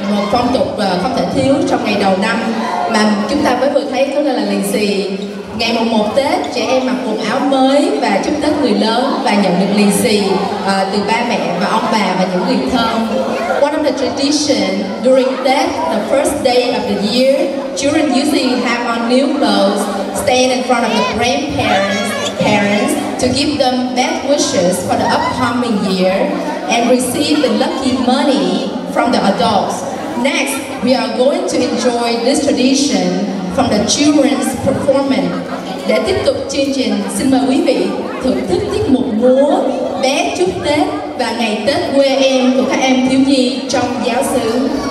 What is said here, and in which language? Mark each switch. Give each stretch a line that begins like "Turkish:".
Vietnamese: phong tục không thể thiếu trong ngày đầu năm mà chúng ta mới vừa thấy, đó là lì xì. Ngày mùng 1 Tết, trẻ em mặc quần áo mới và chúc Tết người lớn và nhận được lì xì từ ba mẹ và ông bà và những người thân.
English: One of the tradition during Tết, the first day of the year, children usually have on new clothes, stand in front of the grandparents to give them best wishes for the upcoming year and receive the lucky money from the adults. Next, we are going to enjoy this tradition from the children's performance.
Vietnamese: Để tiếp tục chương trình, xin mời quý vị thưởng thức tiết mục múa Bé Chúc Tết và Ngày Tết Quê Em của các em thiếu nhi trong giáo xứ.